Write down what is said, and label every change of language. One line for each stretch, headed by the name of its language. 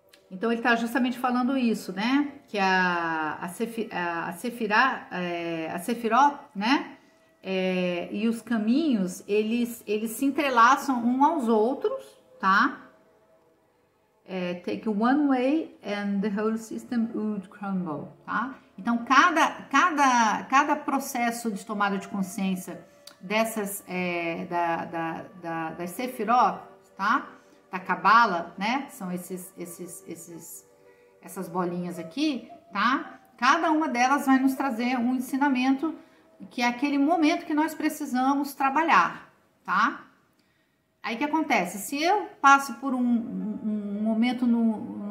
Portuguese: Então, ele está justamente falando isso, né? Que a Sefirot, né? E os caminhos, eles se entrelaçam uns aos outros, tá?
English: Take one way and the whole system would crumble,
Portuguese: tá? Então, cada processo de tomada de consciência dessas, da Sefirot, tá? Da Cabala, né? São essas bolinhas aqui, tá? Cada uma delas vai nos trazer um ensinamento, que é aquele momento que nós precisamos trabalhar, tá? Aí o que acontece? Se eu passo por um momento no,